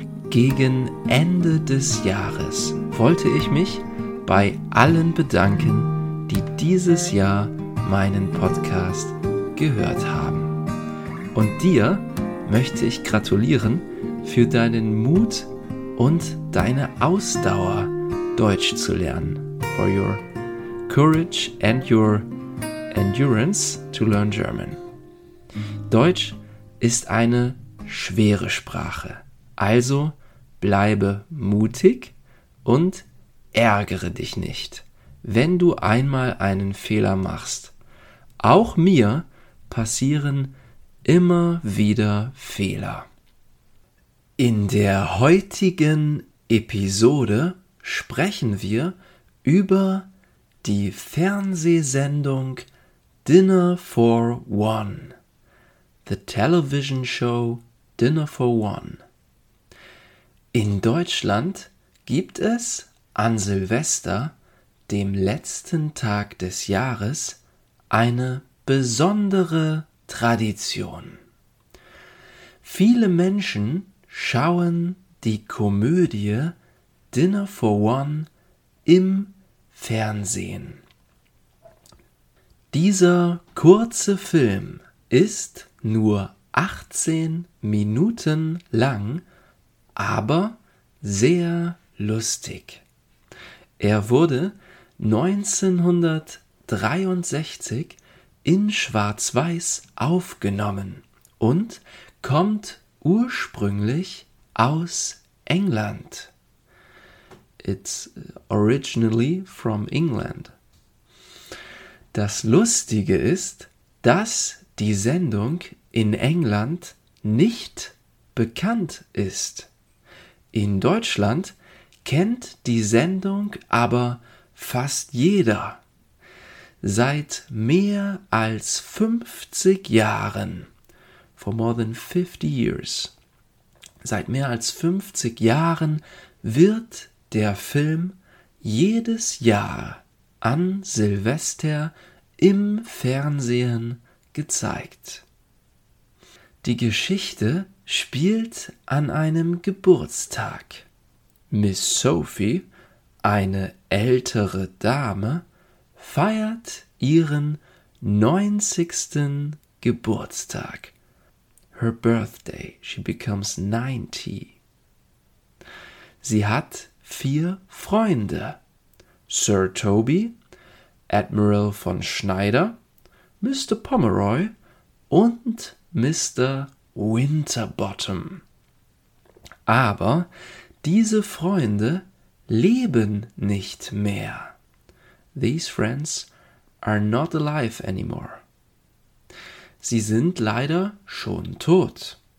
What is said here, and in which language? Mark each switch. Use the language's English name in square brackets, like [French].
[German] Gegen Ende des Jahres wollte ich mich bei allen bedanken, die dieses Jahr meinen Podcast gehört haben. Und dir möchte ich gratulieren für deinen Mut und deine Ausdauer, Deutsch zu lernen. [English] For your courage and your endurance to learn German. [German] Deutsch ist eine schwere Sprache, also bleibe mutig und ärgere dich nicht, wenn du einmal einen Fehler machst. Auch mir passieren immer wieder Fehler. In der heutigen Episode sprechen wir über die Fernsehsendung Dinner for One. [English] The television show Dinner for One. [German] In Deutschland gibt es an Silvester, dem letzten Tag des Jahres, eine besondere Tradition. Viele Menschen schauen die Komödie Dinner for One im Fernsehen. Dieser kurze Film ist nur 18 Minuten lang, aber sehr lustig. Er wurde 1963 in Schwarz-Weiß aufgenommen und kommt ursprünglich aus England. [English] It's originally from England. [German] Das Lustige ist, dass die Sendung in England nicht bekannt ist. In Deutschland kennt die Sendung aber fast jeder. Seit mehr als 50 Jahren, [English] for more than 50 years, [German] seit mehr als 50 Jahren wird der Film jedes Jahr an Silvester im Fernsehen gezeigt. Die Geschichte spielt an einem Geburtstag. Miss Sophie, eine ältere Dame, feiert ihren 90. Geburtstag. [English] Her birthday, she becomes 90. [German] Sie hat 4 Freunde. Sir Toby, Admiral von Schneider, Mr. Pomeroy und Mr. Winterbottom. Aber diese Freunde leben nicht mehr. [English] These friends are not alive anymore. [German] Sie sind leider schon tot.